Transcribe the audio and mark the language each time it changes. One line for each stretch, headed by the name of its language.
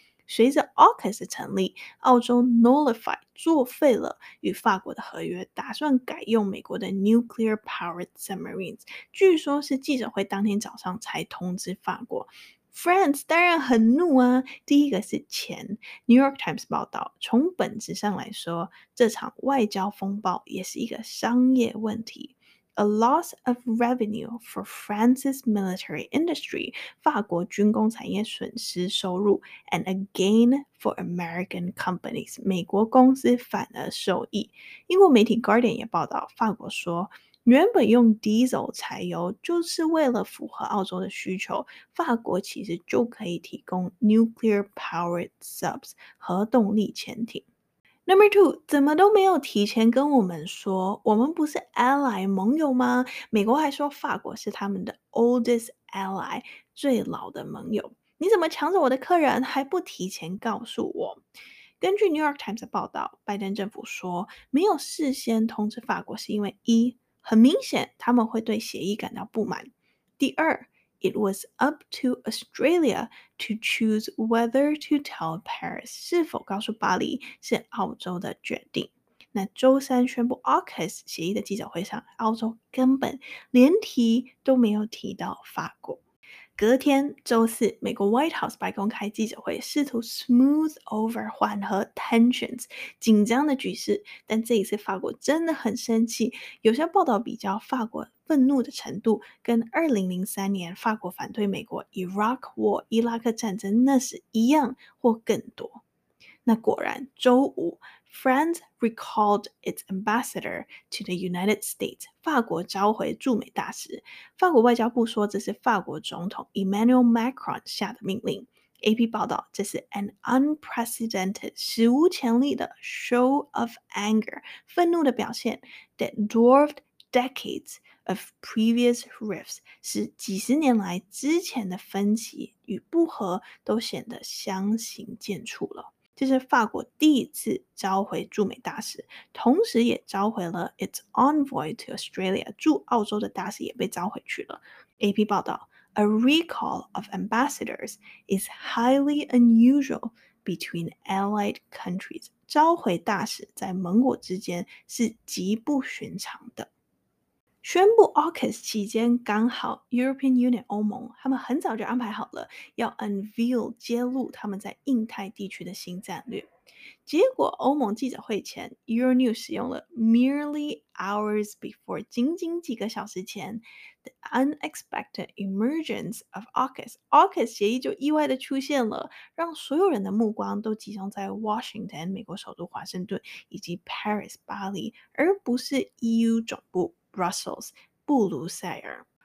Chinese: 随着 AUKUS 的成立，澳洲 nullify 作废了与法国的合约，打算改用美国的 nuclear powered submarines， 据说是记者会当天早上才通知法国。 France 当然很怒啊，第一个是钱。 New York Times 报道，从本质上来说，这场外交风暴也是一个商业问题。
English: A loss of revenue for France's military industry，
Chinese: 法国军工产业损失收入，
English: and a gain for American companies，
Chinese: 美国公司反而受益。英国媒体 Guardian 也报道，法国说原本用 diesel 柴油就是为了符合澳洲的需求，法国其实就可以提供 nuclear powered subs 核动力潜艇。
English: Number two，
Chinese: 怎么都没有提前跟我们说我们不是 ally 盟友吗？美国还说法国是他们的 oldest ally 最老的盟友，你怎么抢走我的客人还不提前告诉我？根据 New York Times 的报道，拜登政府说没有事先通知法国是因为一，很明显他们会对协议感到不满。第二，
English: It was up to Australia to choose whether to tell Paris，
Chinese: 是否告诉巴黎是澳洲的决定。那周三宣布 AUKUS 协议的记者会上，澳洲根本连提都没有提到法国。隔天周四，美国 White House 白宫开记者会，试图 smooth over 缓和 tensions 紧张的局势。但这一次法国真的很生气，有些报道比较法国愤怒的程度跟2003年法国反对美国 Iraq War 伊拉克战争那时一样或更多。那果然周五
English: France recalled its ambassador to the United States，
Chinese: 法国召回驻美大使。法国外交部说这是法国总统 Emmanuel Macron 下的命令。
English: AP
Chinese: 报道这是
English: an unprecedented
Chinese: 史无前例的
English: show of anger
Chinese: 愤怒的表现
English: that dwarfed decades of previous rifts，
Chinese: 使几十年来之前的分歧与不和都显得相形见绌了。这是法国第一次召回驻美大使，同时也召回了
English: its envoy to Australia，
Chinese: 驻澳洲的大使也被召回去了。
English: AP
Chinese: 报道
English: A recall of ambassadors is highly unusual between allied countries，
Chinese: 召回大使在盟国之间是极不寻常的。宣布 AUKUS 期间，刚好 European Union 欧盟他们很早就安排好了要 unveil 揭露他们在印太地区的新战略。结果欧盟记者会前 Euronews 使用了
English: merely hours before
Chinese: 仅仅几个小时前
English: the unexpected emergence of AUKUS，
Chinese: AUKUS 协议就意外的出现了，让所有人的目光都集中在 Washington 美国首都华盛顿以及 Paris 巴黎，而不是 EU 总部Brussels 布鲁塞尔。